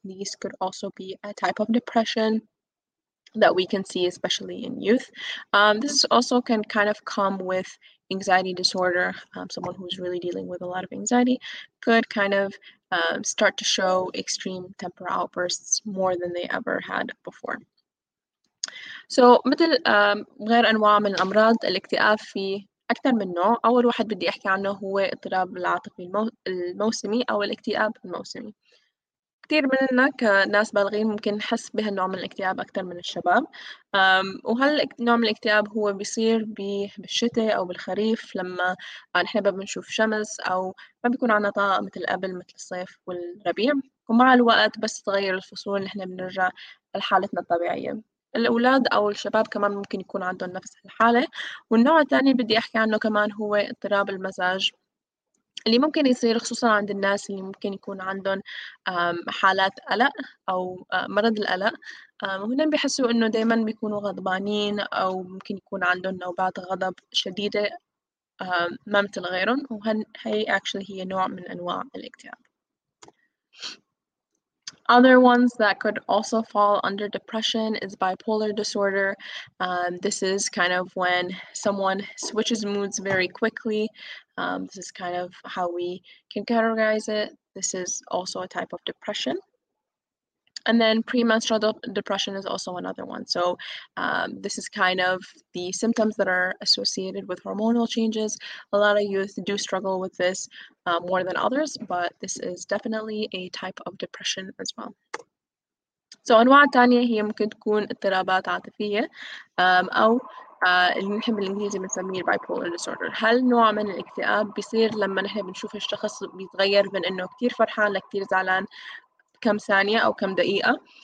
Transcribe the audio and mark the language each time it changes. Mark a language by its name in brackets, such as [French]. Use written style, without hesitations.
[English] These could also be a type of depression that we can see, especially in youth. This also can kind of come with anxiety disorder. Someone who's really dealing with a lot of anxiety could kind of start to show extreme temper outbursts more than they ever had before. [Arabic] So, مثل غير أنواع من الأمراض الاكتئاب في أكثر من نوع. أول واحد بدي أحكي عنه هو اضطراب العاطفي الموسمي أو الاكتئاب الموسمي. كثير مننا كناس بالغين ممكن نحس بهالنوع من الاكتئاب أكثر من الشباب. وهل نوع من الاكتئاب هو بيصير بالشتاء أو بالخريف لما نحن بنشوف شمس أو ما بيكون عنا طاقة مثل قبل مثل الصيف والربيع. ومع الوقت بس تغير الفصول نحن بنرجع لحالتنا الطبيعية. الأولاد أو الشباب كمان ممكن يكون عندهم نفس الحالة. والنوع الثاني بدي أحكي عنه كمان هو اضطراب المزاج اللي ممكن يصير خصوصا عند الناس اللي ممكن يكون عندهم حالات قلق أو مرض القلق. هنا بيحسوا أنه دايما بيكونوا غضبانين أو ممكن يكون عندهم نوبات غضب شديدة ما مثل غيرهم. هي نوع من أنواع الاكتئاب. [English] Other ones that could also fall under depression is bipolar disorder. This is kind of when someone switches moods very quickly. This is kind of how we can categorize it. This is also a type of depression. And then premenstrual depression is also another one. So this is kind of the symptoms that are associated with hormonal changes. A lot of youth do struggle with this more than others, but this is definitely a type of depression as well. [Arabic] So أنواع تانية هي ممكن تكون اضطرابات عاطفية أو اللي نحن بالإنجليزي بنسميه bipolar disorder. هل نوع من الاكتئاب بيصير لما نحن بنشوف الشخص بيتغير من إنه كتير فرحان لكتير زعلان كم ثانية أو كم دقيقة.